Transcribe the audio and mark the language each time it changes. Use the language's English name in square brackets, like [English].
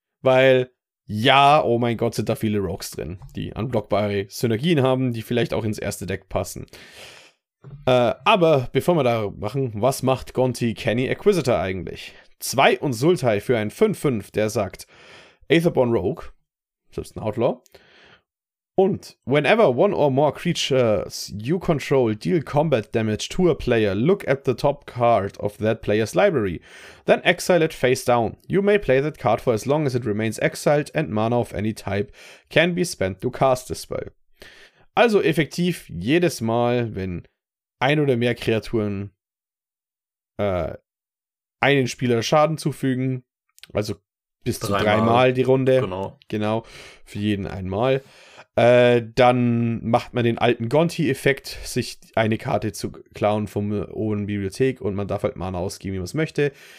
[German] Weil, oh mein Gott, sind da viele Rogues drin, die unblockbare Synergien haben, die vielleicht auch ins erste Deck passen. Aber bevor wir da machen, was macht Gonti, Kenny, Acquisitor eigentlich? 2 und Sultai für ein 5-5, der sagt, Aetherborn Rogue, selbst ein Outlaw. Und [English] whenever one or more creatures you control deal combat damage to a player, look at the top card of that player's library. Then exile it face down. You may play that card for as long as it remains exiled and mana of any type can be spent to cast the spell. [German] Also effektiv jedes Mal, wenn ein oder mehr Kreaturen einen Spieler Schaden zufügen, also bis zu 3-mal die Runde, genau, für jeden einmal, dann macht man den alten Gonti-Effekt, sich eine Karte zu klauen vom hohen Bibliothek, und man darf halt Mana ausgeben, wie man es möchte.